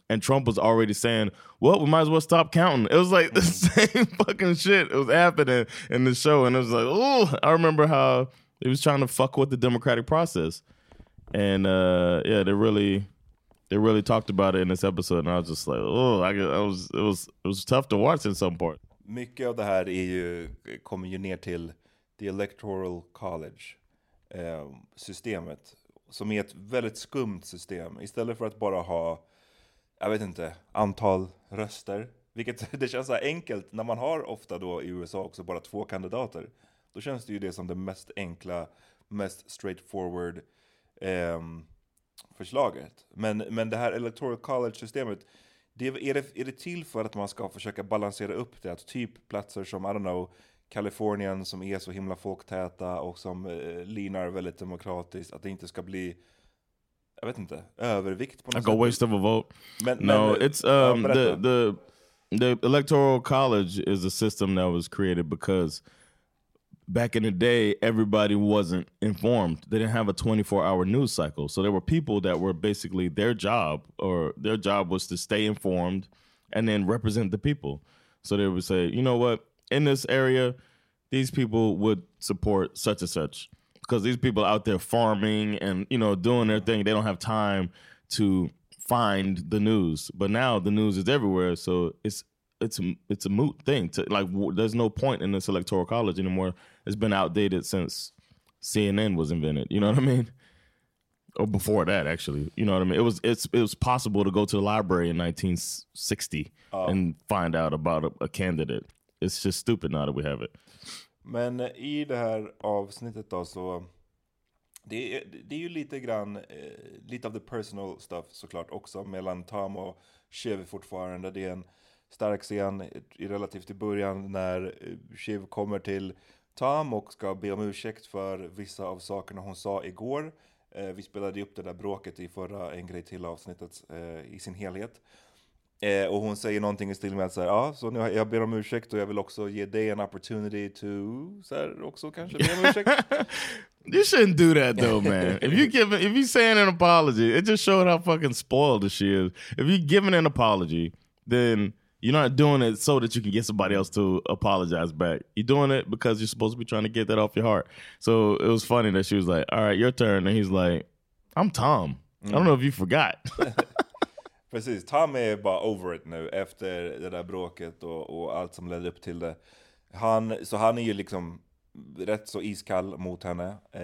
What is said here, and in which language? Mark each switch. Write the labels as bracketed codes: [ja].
[en] And Trump was already saying, well, we might as well stop counting. It was like the same fucking shit was happening in the show. And it was like, oh, I remember how he was trying to fuck with the democratic process. And yeah, they really talked about it in this episode. And I was just like, oh, it was tough to watch in some part. [sv] Mycket av det här är ju, kommer ju ner till the electoral college systemet, som är ett väldigt skumt system. Istället för att bara ha, jag vet inte, antal röster, vilket det känns så enkelt när man har ofta då i USA också bara två kandidater, då känns det ju det som det mest enkla, mest straightforward förslaget. Men det här electoral college systemet, är det till för att man ska försöka balansera upp det, att typ platser som, [en] I don't know, [sv] Kalifornien som är så himla folktäta och som linar väldigt demokratiskt, att det inte ska bli, jag vet inte, övervikt på något sätt. [en] Like a waste of a vote. The electoral college is a system that was created because back in the day everybody wasn't informed. They didn't have a 24-hour news cycle. So there were people that were basically their job was to stay informed and then represent the people. So they would say, you know what, in this area, these people would support such and such. Because these people out there farming and, you know, doing their thing, they don't have time to find the news. But now the news is everywhere, so it's a moot thing. There's no point in this electoral college anymore. It's been outdated since CNN was invented, you know what I mean? Or before that, actually, you know what I mean? It was possible to go to the library in 1960 and find out about a candidate. It's just stupid now that we have it. [sv] Men i det här avsnittet då, så det är ju lite grann lite av [en] the personal stuff [sv] såklart också mellan Tom och Shiv fortfarande. Det är en stark scen relativt i början när Shiv kommer till Tom och ska be om ursäkt för vissa av sakerna hon sa igår. Vi spelade upp det där bråket i förra En grej till avsnittet i sin helhet. Och hon säger någonting i stil med att säga, så nu jag ber om ursäkt och jag vill också ge dig en [en] opportunity to [sv] så här, också kanske be om ursäkt. [en] You shouldn't do that though, man. If you saying an apology, it just showed how fucking spoiled she is. If you're giving an apology, then you're not doing it so that you can get somebody else to apologize back. You're doing it because you're supposed to be trying to get that off your heart. So it was funny that she was like, all right, your turn. And he's like, I'm Tom. I don't know if you forgot. [sv] Precis, Tom är bara [en] over it [sv] nu efter det där bråket och allt som ledde upp till det. Han är ju liksom rätt så iskall mot henne.